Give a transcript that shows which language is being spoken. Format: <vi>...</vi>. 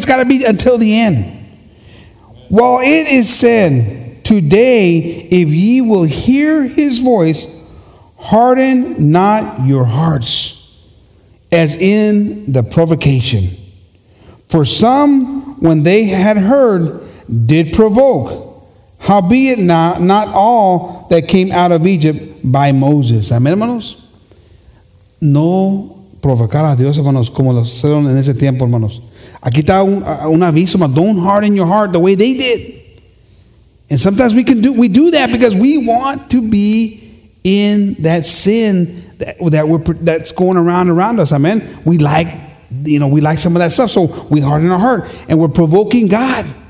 <en>It's got to be until the end. While it is said, today, if ye will hear his voice, harden not your hearts as in the provocation. For some, when they had heard, did provoke. Howbeit not all that came out of Egypt by Moses.</en> <es>Amen, hermanos. No provocar a Dios, hermanos, como lo hicieron en ese tiempo, hermanos. Aquí está un aviso, man.</es> <en>Don't harden your heart the way they did. And sometimes we do that because we want to be in that sin that's going around us. Amen. We like, you know, we like some of that stuff, so we harden our heart and we're provoking God.</en>